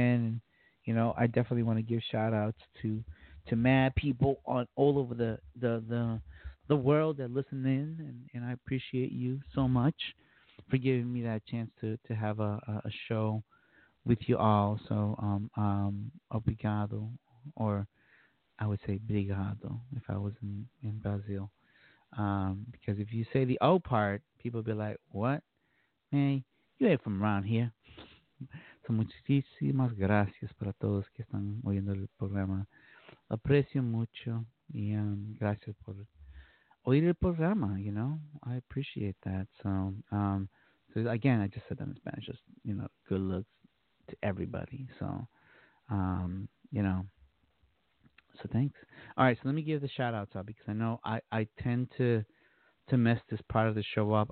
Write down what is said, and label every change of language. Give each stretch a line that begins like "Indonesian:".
English: And, you know, I definitely want to give shout outs to mad people on all over the world that listen in, and I appreciate you so much for giving me that chance to have a show with you all. So obrigado, or I would say obrigado if I was in Brazil. Because if you say the O part, people be like, what? Hey, you ain't from around here.
Spanish: So muchísimas gracias para todos que están oyendo el programa. Aprecio mucho y gracias por oír el programa,
English: you know. I appreciate that. So again, I just said that in Spanish, just, you know, good looks to everybody. So, you know, so thanks. All right, so let me give the shout-outs out, because I know I tend to mess this part of the show up.